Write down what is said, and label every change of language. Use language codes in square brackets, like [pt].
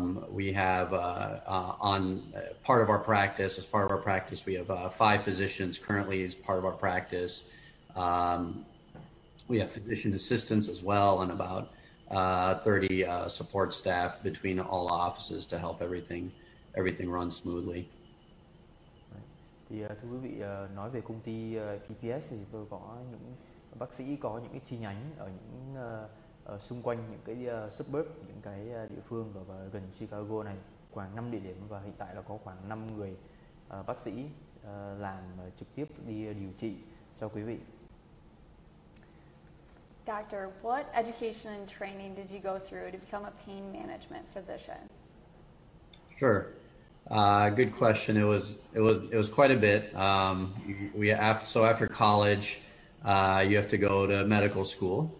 [en] We have part of our practice, as part of our practice, we have five physicians currently as part of our practice. We have physician assistants as well, and about 30 support staff between all offices to help everything run smoothly. [vi] Thì thưa quý vị, nói về công ty PPS thì tôi có những bác sĩ có những cái chi nhánh ở những xung quanh những cái suburb, những cái địa phương và gần Chicago này, khoảng 5 địa điểm, và hiện tại là có khoảng 5 người bác sĩ làm trực tiếp đi điều trị cho quý vị. [en] Doctor, what education and training did you go through to become a pain management physician? Sure. Good question. It was quite a bit. After college, you have to go to medical school.